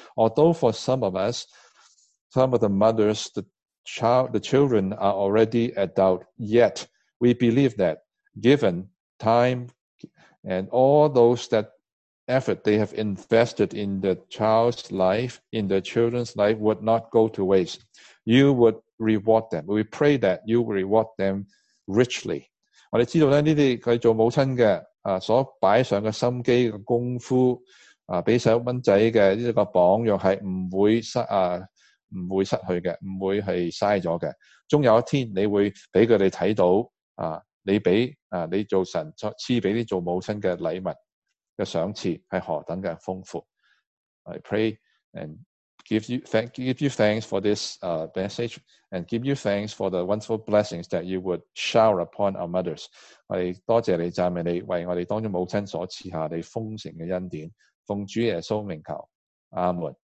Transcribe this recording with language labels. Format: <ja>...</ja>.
<en>Although for some of us, some of the mothers, the children are already adult, yet we believe that given time and all those that effort they have invested in the child's life, in the children's life, would not go to waste. You would reward them. We pray that you will reward them richly.</en> <zh>我们知道呢，这些他做母亲的所摆上的心机的功夫给小蚊仔的这个榜样是不会失去的，不会是浪费的。终有一天你会给他们看到你做神赐给你做母亲的礼物的赏赐是何等的丰富。</zh> <en>I pray and give you thanks for this message and give you thanks for the wonderful blessings that you would shower upon our mothers.</en> <zh>我们多谢你，赞美你，为我们当中母亲所赐下你丰盛的恩典。奉主耶稣名求，阿门。</zh>